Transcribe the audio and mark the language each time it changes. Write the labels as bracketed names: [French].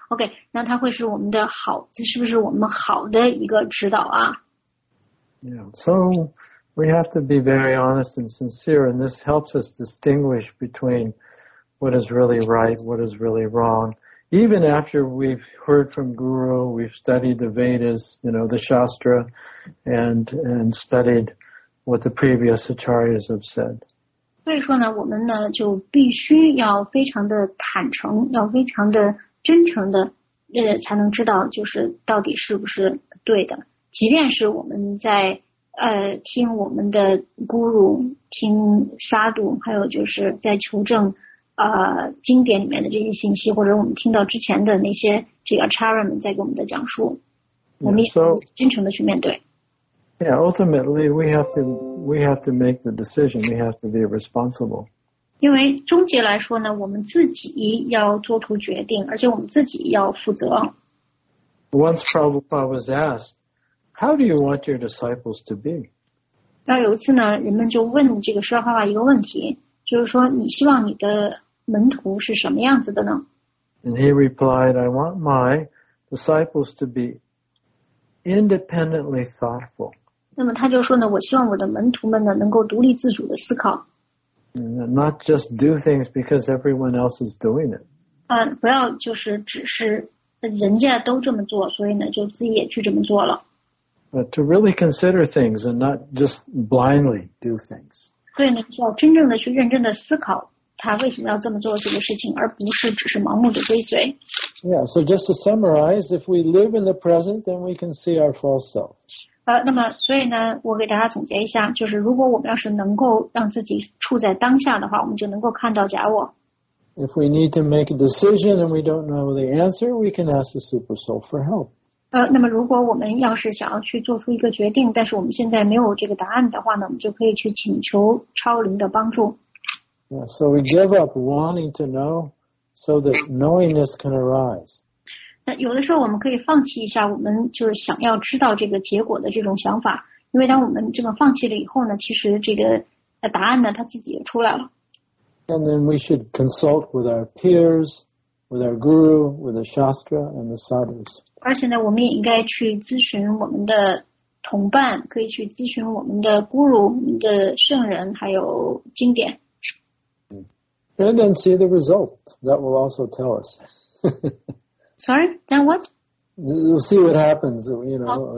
[Chinese] OK 那他会是我们的好，这是不是我们好的一个指导啊？ [English] Yeah, so we have to be very honest and sincere, and this helps us distinguish between what is really right, what is really wrong. Even after we've heard from Guru, we've studied the Vedas, you know, the Shastra, and studied what the previous Acharyas have said. [Chinese] 所以说呢，我们呢就必须要非常的坦诚，要非常的真诚的，才能知道就是到底是不是对的。即便是我们在听我们的 Guru, 听 Sadhu, 还有就是在求证经典里面的这些信息，或者我们听到之前的那些这个 Acharya 们在给我们的讲述，我们也真诚的去面对。 [English] Yeah, ultimately we have to make the decision. We have to be responsible. [Chinese] 因为终结来说呢，我们自己要做出决定，而且我们自己要负责。 [English] Once Prabhupada was asked, "How do you want your disciples to be?" [Chinese] 那有一次呢，人们就问这个释迦牟尼佛一个问题。就是说你希望你的门徒是什么样子的呢？ [English] And he replied, I want my disciples to be independently thoughtful. [Chinese] 那么他就说呢，我希望我的门徒们呢能够独立自主的思考。 [English] Not just do things because everyone else is doing it. [Chinese] 不要就是只是人家都这么做，所以呢就自己也去这么做了。 [English] But to really consider things and not just blindly do things. [Chinese] 所以呢，需要真正的去认真的思考他为什么要这么做这个事情，而不是只是盲目的追随。 [English] Yeah, so just to summarize, if we live in the present, then we can see our false self. [Chinese] 那么所以呢，我给大家总结一下，就是如果我们要是能够让自己处在当下的话，我们就能够看到假我。 [English] If we need to make a decision and we don't know the answer, we can ask the Super Soul for help. [Chinese] 那么如果我们要是想要去做出一个决定，但是我们现在没有这个答案的话呢，我们就可以去请求超灵的帮助。 [English] Yeah, so we give up wanting to know so that knowingness can arise. [Chinese] 那有的时候我们可以放弃一下我们就是想要知道这个结果的这种想法，因为当我们这么放弃了以后呢，其实这个答案呢它自己也出来了。 [English] And then we should consult with our peers, with our guru, with the shastra and the sadhus. [Chinese] 而且呢，我们也应该去咨询我们的同伴，可以去咨询我们的 guru, 我们的圣人，还有经典。 [English] And then see the result. That will also tell us. Sorry, then what? We'll see what happens. You know,